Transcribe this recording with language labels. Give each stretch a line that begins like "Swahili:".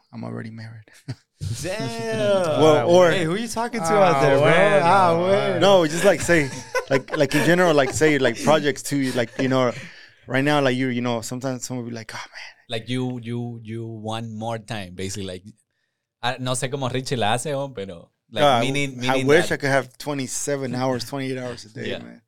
English: I'm already married. Damn. Well, or, hey, who are you talking to out there, bro? No, just like say, like in general, like say like projects too. Like, you know, right now, like you know, sometimes someone will be like, oh man. Like you want more time, basically.
Spanish: Like, no sé cómo Richie la hace, pero.
English: Like, meaning I wish that. I could have 27 hours, 28 hours a day, yeah, man.